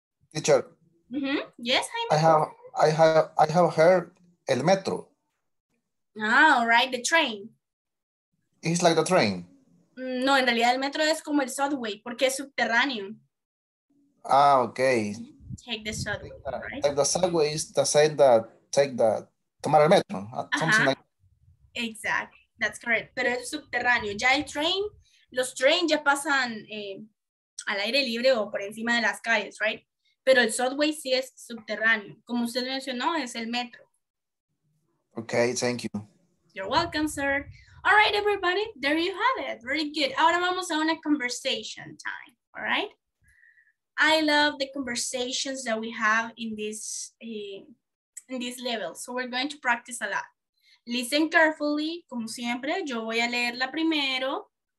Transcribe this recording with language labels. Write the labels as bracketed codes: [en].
[en] Teacher. Mm-hmm. Yes, Jaime. I have heard el metro. Oh, right, the train. It's like the train. [es] No, en realidad el metro es como el subway, porque es subterráneo. [en] Ah, okay. Take the subway, right? Like the subway is the same that take the [es] tomar el metro, [en] something like exactly, that's correct. [es] Pero es subterráneo. Ya el train, los trains ya pasan al aire libre o por encima de las calles, right? Pero el subway sí es subterráneo. Como usted mencionó, es el metro. [en] Okay, thank you. You're welcome, sir. All right, everybody, there you have it. Very good. [es] Ahora vamos a una [en] conversation time, all right? I love the conversations that we have in this level. So we're going to practice a lot. Listen carefully, [es] como siempre, yo voy a leerla primero.